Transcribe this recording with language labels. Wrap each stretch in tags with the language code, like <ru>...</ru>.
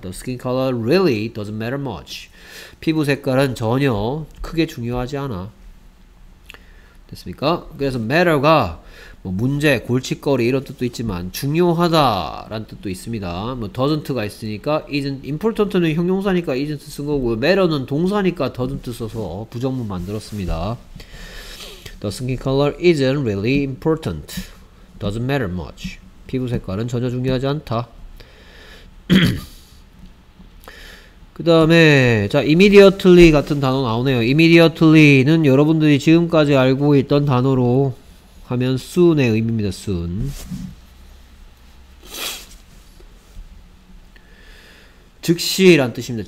<en>The skin color really doesn't matter much</en> <ko>피부 색깔은 전혀 크게 중요하지 않아 됐습니까? 그래서 matter가 뭐 문제, 골칫거리 이런 뜻도 있지만 중요하다 라는 뜻도 있습니다. 뭐 doesn't가 있으니까 isn't important는 형용사니까 isn't 쓴 거고 matter는 동사니까 doesn't 써서 부정문 만들었습니다.</ko> <en>The skin color isn't really important. Doesn't matter much.</en> <ko>피부 색깔은 전혀 중요하지 않다. 그 다음에 자 immediately 같은 단어 나오네요. immediately는 여러분들이 지금까지 알고 있던 단어로 하면 soon의 의미입니다. soon 즉시란 뜻입니다.</ko>